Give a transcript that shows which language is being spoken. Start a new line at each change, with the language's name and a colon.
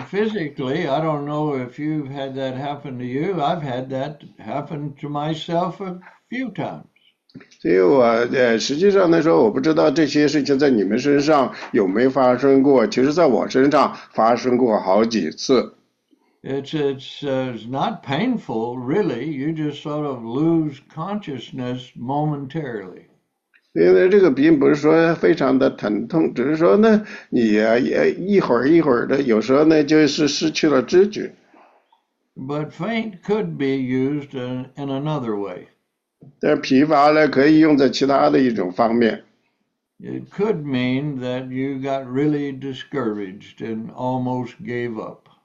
English: physically, I don't know if you've had that happen to you. I've had that happen to myself a few times.
Chinese: 所以我实际上呢说，我不知道这些事情在你们身上有没有发生过，其实在我身上发生过好几次。
English: It's not painful, really. You just sort of lose consciousness momentarily.
Chinese: 因为这个并不是说非常的疼痛，只是说呢，你一会儿一会儿的，有时候呢就是失去了知觉。But
English: faint could be used in another way.
Chinese: 但疲乏呢，可以用在其他的一种方面。It
English: could mean that you got really discouraged and almost gave up.